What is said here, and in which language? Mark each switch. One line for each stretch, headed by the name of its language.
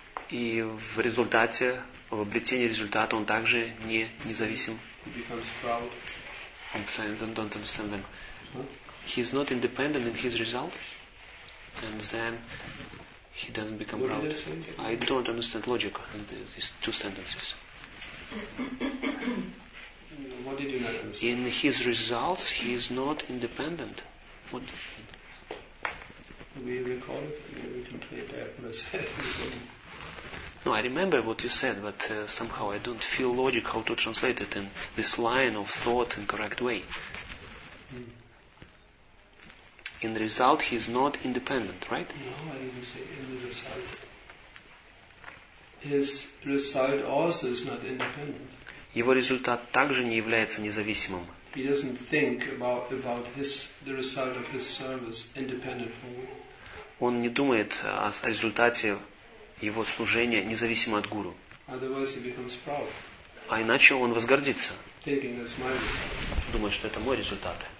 Russian: И в результате, в обретении результата, он также не независим.
English: He becomes proud. I don't understand them. He's not independent in his result, and then he doesn't become what proud. I don't understand logic in these two sentences. What did you not understand? In his results, he is not independent. What? We recall it. We can play it back what I said. No, I remember what you said, but somehow I don't feel logic how to translate it in this line of thought in correct way. In the result, he's not independent, right? No, I didn't say in the result. His result also is not independent.
Russian: Его результат также не является независимым.
English: He doesn't think about his the result of his service independent from me.
Russian: Он не думает о результате его служение независимо от гуру. А иначе он возгордится. Думает, что это мой результат.